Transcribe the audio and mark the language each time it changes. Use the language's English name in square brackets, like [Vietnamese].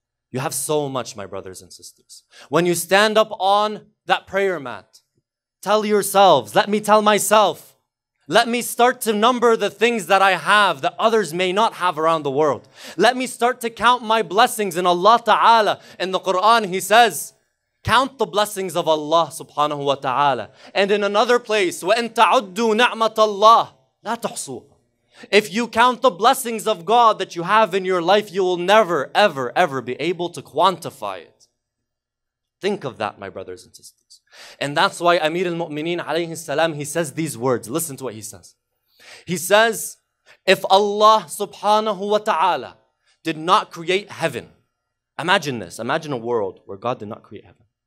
[English] You have so much, my brothers and sisters. When you stand up on that prayer mat, tell yourselves, let me tell myself, let me start to number the things that I have that others may not have around the world. Let me start to count my blessings in Allah Ta'ala. In the Quran, He says, count the blessings of Allah Subhanahu Wa Ta'ala. And in another place, [Arabic] وَإِن تَعُدُّوا نَعْمَةَ اللَّهِ لَا تُحْصُوهَا. [English] If you count the blessings of God that you have in your life, you will never, ever, ever be able to quantify it. Think of that, my brothers and sisters. And that's why Amir al-Mu'mineen alayhi salam, he says these words. Listen to what he says. He says, if Allah subhanahu wa ta'ala did not create heaven, imagine this, imagine a world where God did not create heaven.